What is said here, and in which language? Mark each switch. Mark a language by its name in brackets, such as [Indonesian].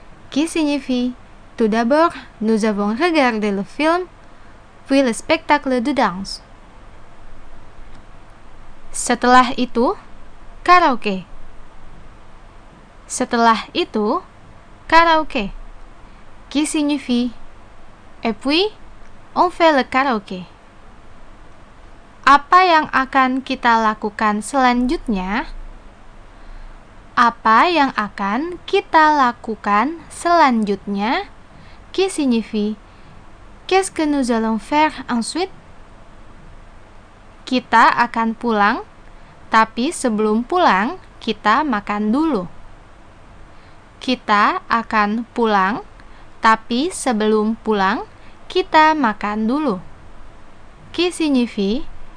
[French] Qui signifie, tout d'abord, nous avons regardé le film, puis le spectacle de danse. [Indonesian] Setelah itu, karaoke. Setelah itu, karaoke. [French] Qui signifie, et puis, on fait le karaoke. [Indonesian] Apa yang akan kita lakukan selanjutnya? Apa yang akan kita lakukan selanjutnya? [French] Qui signifie? Qu'est-ce que nous allons faire ensuite? [Indonesian] Kita akan pulang, tapi sebelum pulang, kita makan dulu. Kita akan pulang, tapi sebelum pulang, kita makan dulu. [French] Qui signifie?